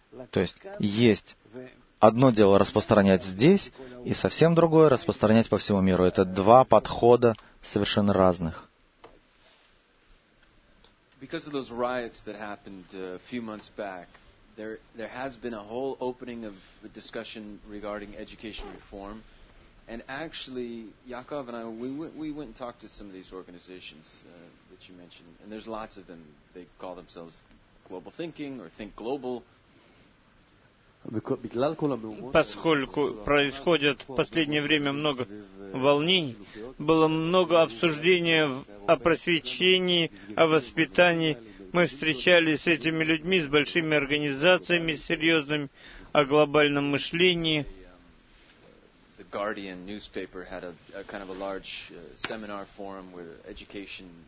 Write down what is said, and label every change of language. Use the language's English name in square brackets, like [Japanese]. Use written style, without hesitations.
[Russian] То есть есть одно дело распространять здесь, и совсем другое распространять по всему миру. Это два подхода совершенно разных. [English] Because of those riots that happened a few months back, there has been a whole opening of the discussion regarding education reform. And actually, Yaakov and I, we went and talked to some of these organizations that you mentioned. And there's lots of them. They call themselves Global Thinking or Think Global. [Russian] Поскольку происходит в последнее время много волнений, было много обсуждений о просвещении, о воспитании. Мы встречались с этими людьми, с большими организациями серьезными, о глобальном мышлении. [English] The Guardian newspaper had a kind of a large seminar forum with education.